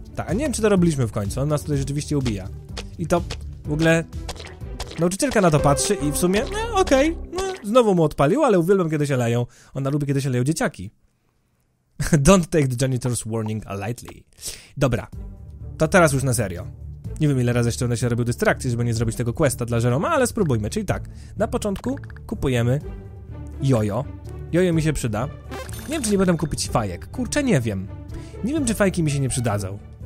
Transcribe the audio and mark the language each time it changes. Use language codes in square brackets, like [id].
[pl] Tak, a nie wiem, czy to robiliśmy w końcu. On nas tutaj rzeczywiście ubija. I to w ogóle... Nauczycielka na to patrzy i w sumie... No, okej. Okay. No, znowu mu odpalił, ale uwielbiam, kiedy się leją. Ona lubi, kiedy się leją dzieciaki. [en] Don't take the janitor's warning lightly. [pl] Dobra. To teraz już na serio. Nie wiem, ile razy jeszcze będę się robił dystrakcji, żeby nie zrobić tego questa dla Jeroma, ale spróbujmy. Czyli tak. Na początku kupujemy... Jojo. Jojo mi się przyda. Nie wiem, czy nie będę kupić fajek. Kurczę, nie wiem. Nie wiem, czy fajki mi się nie przydadzą.